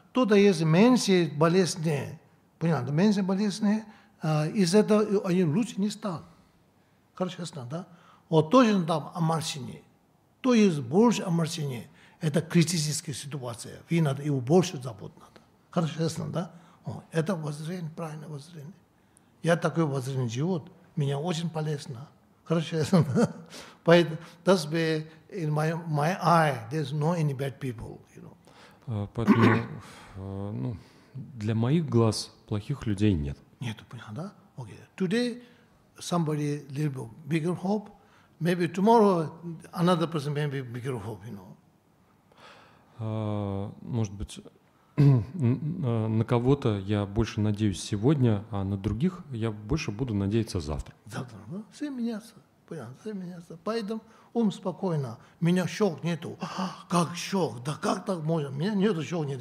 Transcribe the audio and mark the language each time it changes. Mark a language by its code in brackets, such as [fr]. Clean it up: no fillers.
[ru] Тут есть меньше болезни, понятно, меньше болезни, из этого они лучше не стали. Короче, ясно, да? Вот точно там омрачение. То есть больше омрачения. Это критическая ситуация. Вы надо его больше заботить надо. Короче, ясно, да? Это воззрение, правильное воззрение. Я такой воззрение живут. Меня очень полезно. Короче, ясно, да? [en] Поэтому, that's why in my eye, there's no any bad people, you know. [ru] Поэтому, ну, для моих глаз плохих людей нет. Нет, понятно, да? [en] Okay. Today somebody little bit bigger hope. Maybe tomorrow another person maybe bigger hope, you know. [ru] Может быть, на кого-то я больше надеюсь сегодня, а на других я больше буду надеяться завтра. Завтра, да? Все меняется. Понятно, все меняется. Поэтому ум спокойно. Меня шок нету. А, как шок? Да как так можно? Меня нету шок нету.